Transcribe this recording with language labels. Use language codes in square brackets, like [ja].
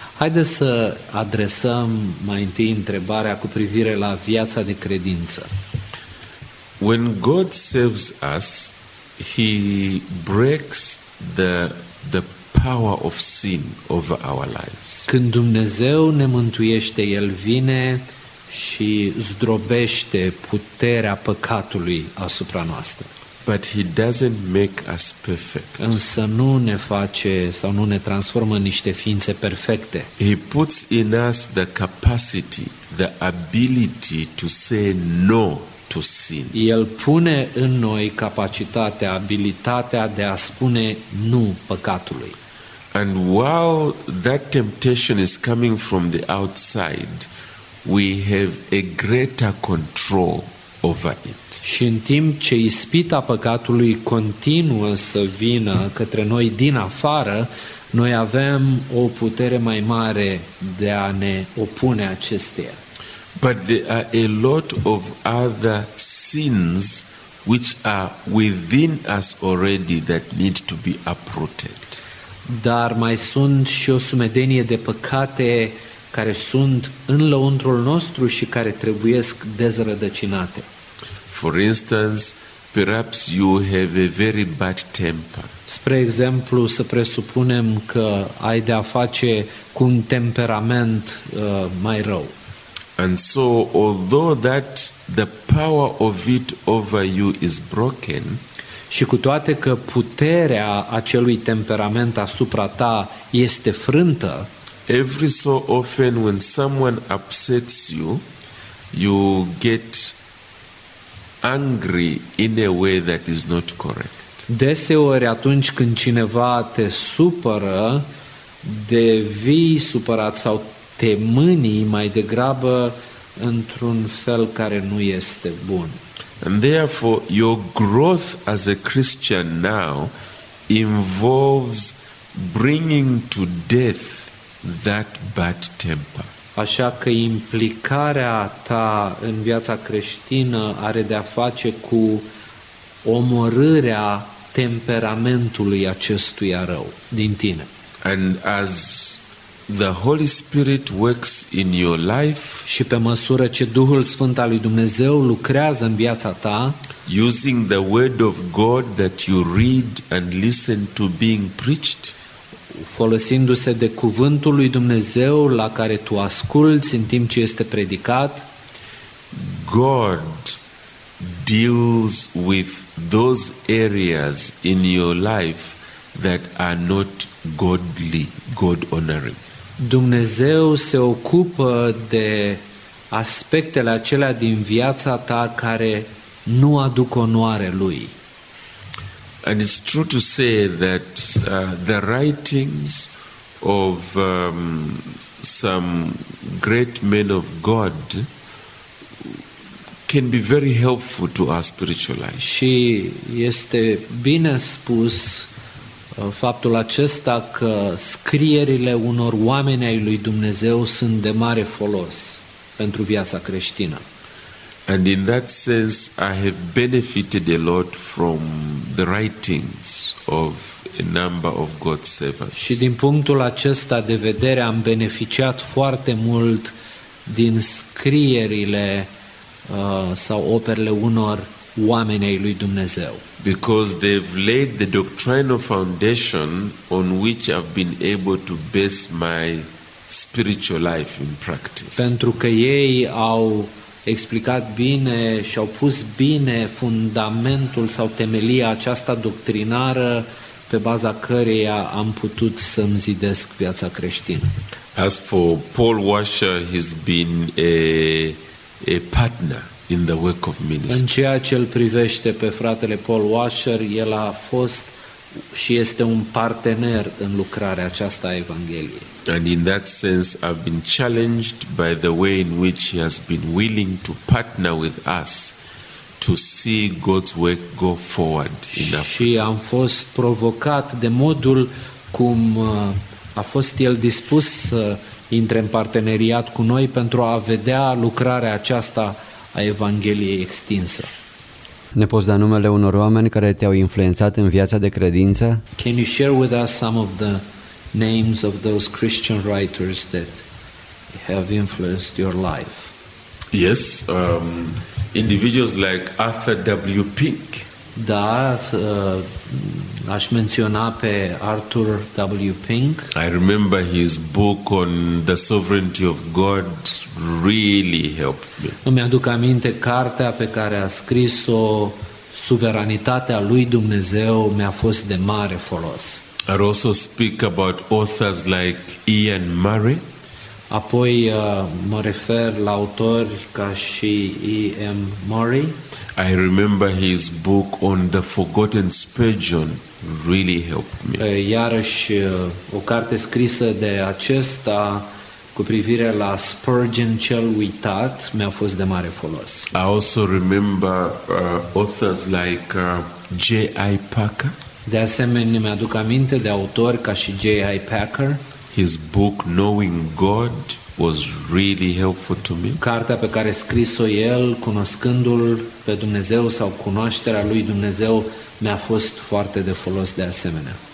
[ro] Haideți să adresăm mai întâi întrebarea cu privire la viața de credință. [en] When God saves us, He breaks the power of sin over our lives. [ro] Când Dumnezeu ne mântuiește, El vine și zdrobește puterea păcatului asupra noastră. [en] But he doesn't make us perfect. [ro] Însă nu ne face sau nu ne transformă în niște ființe perfecte. [en] He puts in us the capacity, the ability to say no to sin. [ro] El pune în noi capacitatea, abilitatea de a spune nu păcatului. [en] And while that temptation is coming from the outside, we have a greater control over it. [ro] Și în timp ce ispita păcatului continuă să vină către noi din afară, noi avem o putere mai mare de a ne opune acesteia. [en] But there are a lot of other sins which are within us already that need to be uprooted. [ro] Dar mai sunt și o sumedenie de păcate care sunt în lăuntrul nostru și care trebuiesc dezrădăcinate. [en] For instance, perhaps you have a very bad temper. [ro] Spre exemplu, să presupunem că ai de a face cu un temperament mai rău. [en] And so, although that the power of it over you is broken, [ro] și cu toate că puterea acelui temperament asupra ta este frântă, [en] every so often when someone upsets you, you get angry in a way that is not correct. [ro] Deseori atunci când cineva te supără, devii supărat sau te mânii mai degrabă într-un fel care nu este bun. [en] And therefore your growth as a Christian now involves bringing to death that bad temper. [ro] Așa că implicarea ta în viața creștină are de a face cu omorârea temperamentului acestuia rău din tine. [en] And as the Holy Spirit works in your life, [ro] și pe măsură ce Duhul Sfânt al lui Dumnezeu lucrează în viața ta, [en] using the word of God that you read and listen to being preached, [ro] folosindu-se de cuvântul lui Dumnezeu la care tu asculți în timp ce este predicat, [en] God deals with those areas in your life that are not godly, God-honoring. [ro] Dumnezeu se ocupă de aspectele acelea din viața ta care nu aduc onoare lui. [en] And it's true to say that the writings of some great men of God can be very helpful to our spiritual life. [ro] Și este bine spus faptul acesta că scrierile unor oameni ai lui Dumnezeu sunt de mare folos pentru viața creștină. [en] And in that sense I have benefited a lot from the writings of a number of God's servants. [ro] Și din punctul acesta de vedere am beneficiat foarte mult din scrierile sau operele unor oameni ai lui Dumnezeu. [en] Because they've laid the doctrinal foundation on which I've been able to base my spiritual life in practice. [ro] Pentru că ei au explicat bine și au pus bine fundamentul sau temelia aceasta doctrinară pe baza căreia am putut să-mi zidesc viața creștină. [en] As for Paul Washer, he's been a partner in the work of ministry. [ro] În ceea ce îl privește pe fratele Paul Washer, el a fost și este un partener în lucrarea aceasta a Evangheliei. [en] And in that sense I've been challenged by the way in which he has been willing to partner with us to see God's work go forward in Africa. [ro] Și am fost provocat de modul cum a fost el dispus să intre în parteneriat cu noi pentru a vedea lucrarea aceasta a Evangheliei extinsă. Ne poți da numele unor oameni care te-au influențat în viața de credință? [en] Can you share with us some of the names of those Christian writers that have influenced your life? Yes, individuals like Arthur W. Pink. [ro] Da, aș menționa pe Arthur W. Pink. [en] I remember his book on the sovereignty of God really helped me. [ro] Îmi aduc aminte cartea pe care a scris-o suveranitatea lui Dumnezeu mi-a fost de mare folos. [en] I also speak about authors like Ian Murray. [ro] Apoi mă refer la autori ca și E.M. Murray. [en] I remember his book on the forgotten Spurgeon really helped me. [ro] Iarăși o carte scrisă de acesta cu privire la Spurgeon cel uitat mi-a fost de mare folos. [en] I also remember authors like J.I. Packer. [ro] De asemenea, mi-aduc aminte de autori ca și J.I. Packer. [en] His book Knowing God was really helpful to me. [ro] Cartea pe care a scris-o el, Cunoscându-l pe Dumnezeu sau Cunoașterea lui Dumnezeu, mi-a fost foarte de folos de asemenea.